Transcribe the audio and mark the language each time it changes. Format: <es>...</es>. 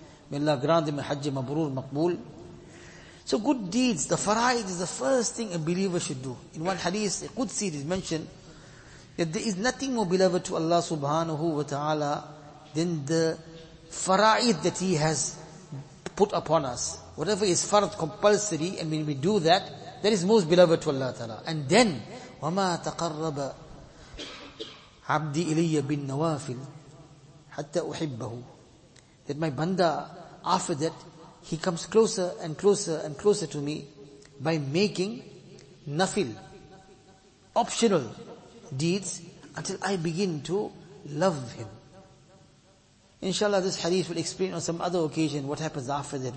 <en>May Allah grant them a hajj mabrur, maqbool. So good deeds, the faraid is the first thing a believer should do. In one hadith, a Qudsi is mentioned, that there is nothing more beloved to Allah subhanahu wa ta'ala than the faraid that He has put upon us. Whatever is farad, compulsory, and when we do that, that is most beloved to Allah ta'ala. And then,</en> <ar>وَمَا تَقَرَّبَ عَبْدِ إِلَيَّ بِالنَّوَافِلِ حَتَّى أُحِبَّهُ.</ar> <en>That my banda, after that, he comes closer and closer and closer to me by making nafil, optional deeds until I begin to love him. Inshallah, this hadith will explain on some other occasion what happens after that.</en>